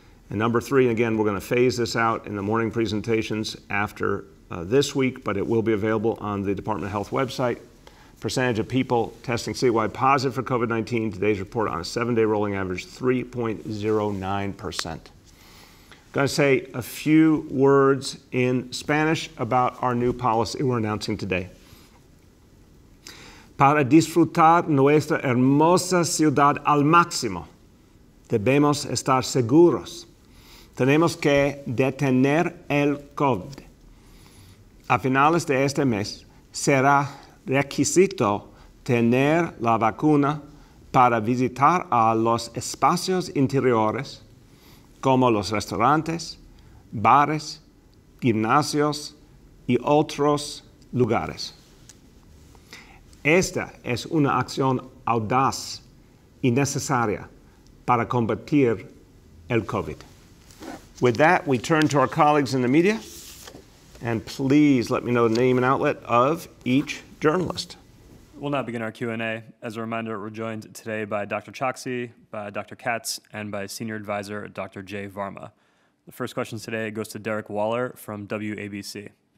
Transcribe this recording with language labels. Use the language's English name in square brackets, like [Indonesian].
[English] And number three, and again, we're going to phase this out in the morning presentations after this week, but it will be available on the Department of Health website. Percentage of people testing citywide positive for COVID-19. Today's report on a 7-day rolling average, 3.09%. Going to say a few words in Spanish about our new policy we're announcing today. [Spanish] Para disfrutar nuestra hermosa ciudad al máximo, debemos estar seguros. Tenemos que detener el COVID. A finales de este mes, será requisito tener la vacuna para visitar a los espacios interiores, como los restaurantes, bares, gimnasios y otros lugares. Esta es una acción audaz y necesaria para combatir el COVID. [English] With that, we turn to our colleagues in the media, and please let me know the name and outlet of each journalist. We'll now begin our Q&A. As a reminder, we're joined today by Dr. Choksi, by Dr. Katz, and by senior advisor Dr. Jay Varma. The first question today goes to Derek Waller from WABC.